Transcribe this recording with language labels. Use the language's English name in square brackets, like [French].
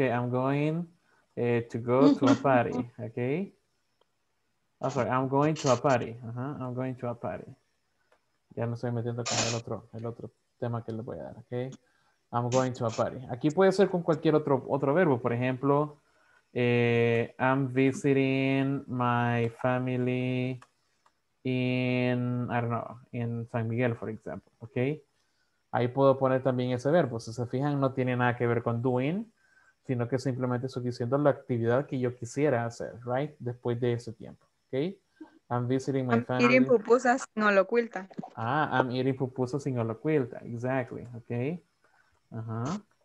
[English] I'm going to go to a party, ok. Oh, sorry, I'm going to a party. Ajá, I'm going to a party. [Spanish] Ya me estoy metiendo con el otro tema que les voy a dar, ok. [English] I'm going to a party. [Spanish] Aquí puede ser con cualquier otro verbo, por ejemplo. [English] I'm visiting my family in I don't know, in San Miguel, for example, okay? [Spanish] Ahí puedo poner también ese verbo. Si se fijan, no tiene nada que ver con doing, sino que simplemente estoy diciendo la actividad que yo quisiera hacer, right? Después de ese tiempo, [English] okay? I'm visiting my family. I'm eating pupusas sin holocuilta. Ah, I'm eating pupusas sin holocuilta. Exactly, okay? Uh-huh.